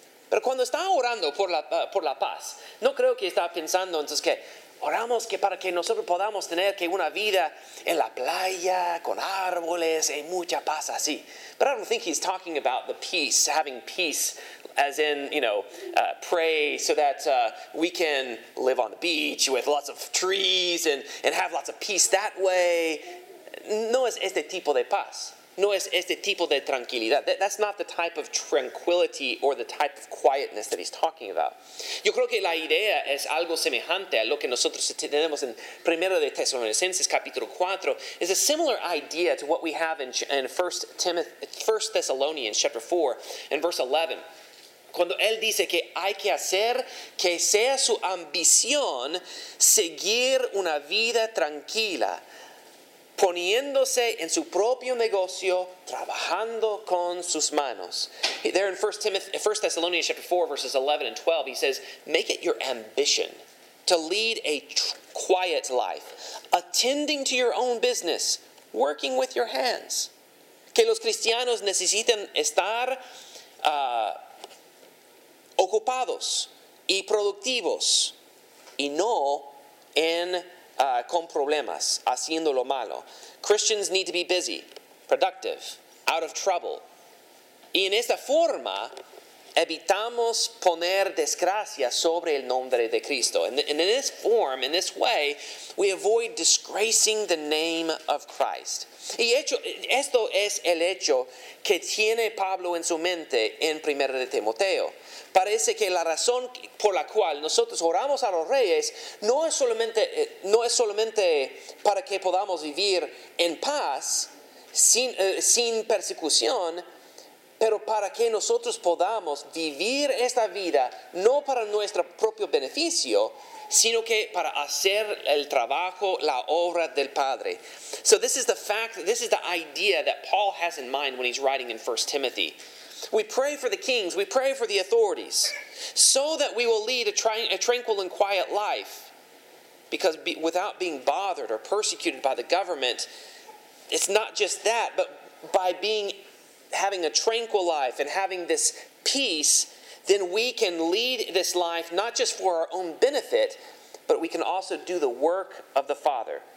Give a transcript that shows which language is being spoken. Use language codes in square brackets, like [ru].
[es] Pero cuando está orando por la paz, no creo que está pensando entonces que oramos que para que nosotros podamos tener que una vida en la playa, con árboles y mucha paz así. [en] But I don't think he's talking about the peace, having peace as in, you know, pray so that we can live on the beach with lots of trees and have lots of peace that way. [es] No es este tipo de paz. No es este tipo de tranquilidad. [en] That's not the type of tranquility or the type of quietness that he's talking about. [es] Yo creo que la idea es algo semejante a lo que nosotros tenemos en Primera de Tesalonicenses capítulo 4. [en] It's a similar idea to what we have in 1 Thessalonians chapter 4 and verse 11. [es] Cuando él dice que hay que hacer que sea su ambición seguir una vida tranquila, poniéndose en su propio negocio, trabajando con sus manos. [en] There in 1 Thessalonians chapter 4, verses 11 and 12, he says, make it your ambition to lead a quiet life, attending to your own business, working with your hands. [es] Que los cristianos necesiten estar ocupados y productivos y no en con problemas, haciendo lo malo. [en] Christians need to be busy, productive, out of trouble. [es] Y en esta forma, evitamos poner desgracia sobre el nombre de Cristo. [en] And in this form, in this way, we avoid disgracing the name of Christ. [es] Y hecho, esto es el hecho que tiene Pablo en su mente en 1 de Timoteo. Parece que la razón por la cual nosotros oramos a los reyes no es solamente para que podamos vivir en paz, sin persecución, pero para que nosotros podamos vivir esta vida no para nuestro propio beneficio, sino que para hacer el trabajo, la obra del Padre. [en] So this is the fact, this is the idea that Paul has in mind when he's writing in 1 Timothy. We pray for the kings, we pray for the authorities, so that we will lead a tranquil and quiet life. Because without being bothered or persecuted by the government, it's not just that, but by having a tranquil life and having this peace, then we can lead this life not just for our own benefit, but we can also do the work of the Father.